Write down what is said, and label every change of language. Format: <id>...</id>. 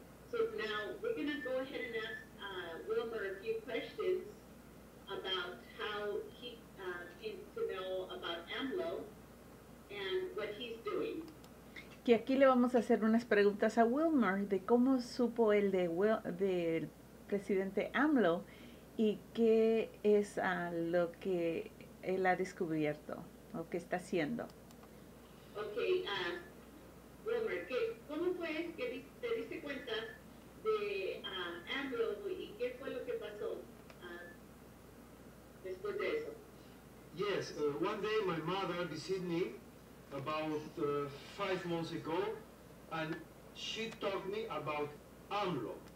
<en>So now we're going to go ahead and ask Wilmer a few questions about how he came to know about AMLO and what he's doing.</en> <es>Que aquí le vamos a hacer unas preguntas a Wilmer de cómo supo él del presidente AMLO y qué es lo que él ha descubierto o qué está haciendo. Okay, Wilmer, ¿cómo fue que te diste cuenta de AMLO y qué fue lo que pasó después de eso?</es> <en>Yes, one day my mother visited me. About 5 months ago, and she talked me about AMLO.</en>